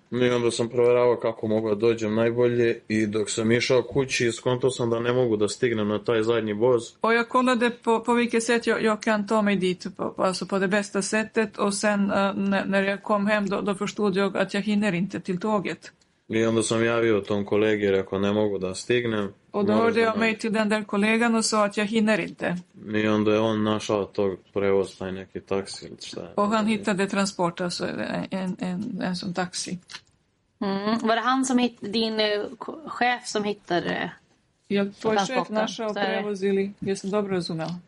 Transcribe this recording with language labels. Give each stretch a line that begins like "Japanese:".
Serbian: I onda sam provjeravao kako mogu da dođem najbolje i dok sam išao kući skontao sam da ne mogu da stignem na taj zadnji voz.
Swedish: Och jag kollade på vilket sätt jag kan ta mig dit, alltså på det bästa sättet, och sen när jag kom hem då förstod jag att jag hinner inte till tåget.
Serbian: I onda sam javio tom kolegi, rekao ne mogu da stignem.
Swedish: Och då hörde jag mig till den där kollegan och sa att jag hinner inte.
Serbian: I onda je on našao tog prevoz, taj neki taksi.
Swedish: Och han hittade transport, alltså en sån taxi. Mm. Var det han som hittade, din chef som hittade? Jag var chef
Serbian: našao prevoz ili, jag sam dobro razumel.